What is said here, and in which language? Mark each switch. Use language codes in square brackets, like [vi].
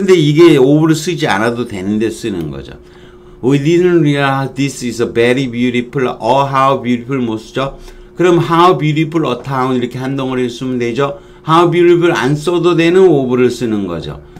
[ko] 근데 이게 over를 쓰지 않아도 되는데 쓰는 거죠. [en] We didn't realize this is a very beautiful, a how beautiful [ko] 못 쓰죠. 그럼 [en] how beautiful a town [ko] 이렇게 한 덩어리를 쓰면 되죠. How beautiful 안 써도 되는 over를 쓰는 거죠.